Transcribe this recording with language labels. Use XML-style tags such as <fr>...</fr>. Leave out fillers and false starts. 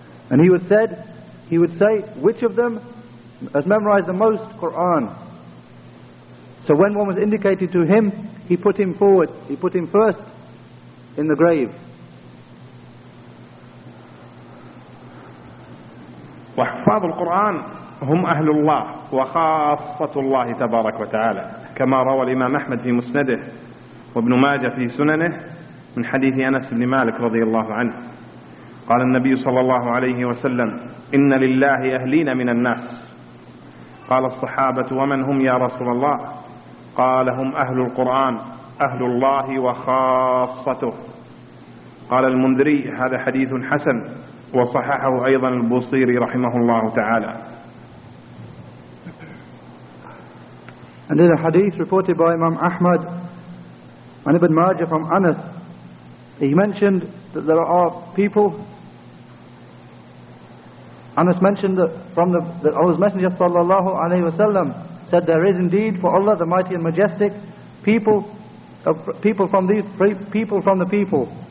<en>And he would say, which of them has memorized the most Quran? So when one was indicated to him, he put him forward, he put him first in the grave.</en> <ar>وحفاظ القرآن هم أهل الله وخاصة الله تبارك وتعالى، كما روى الإمام أحمد في مسنده وابن ماجه في سننه من حديث أنس بن مالك رضي الله عنه قال النبي صلى الله عليه وسلم إن لله أهلين من الناس. قال الصحابة ومن هم يا رسول الله؟ قال هم أهل القرآن أهل الله وخاصته. قال المنذري هذا حديث حسن وصححه أيضا البصيري رحمه الله تعالى.</ar> <en>And in a hadith reported by Imam Ahmad and Ibn Majah from Anas, he mentioned that there are people. Anas mentioned that Allah's Messenger sallallahu alayhi wa sallam said there is indeed for Allah the Mighty and Majestic people from the people.</en>